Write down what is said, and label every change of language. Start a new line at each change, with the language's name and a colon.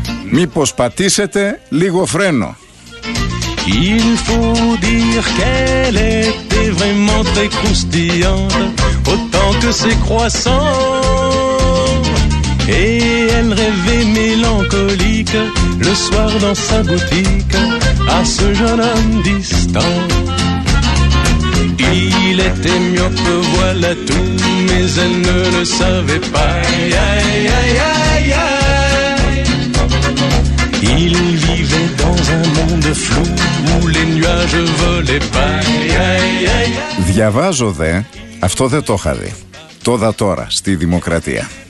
Greek: Μήπως πατήσετε λίγο φρένο.
French: Il faut dire qu'elle était vraiment très croustillante, autant que ses croissants. Et elle rêvait mélancolique le soir dans sa boutique à ce jeune homme distant. Il était myope, voilà tout, mais elle ne le savait pas. Aïe, aïe, aïe, aïe, aïe. Il vivait dans un monde flou où les nuages volaient pas. Aïe, aïe, aïe, aïe.
Greek: Διαβάζω δε, αυτό δεν το είχα δει. Το δα τώρα, στη Δημοκρατία.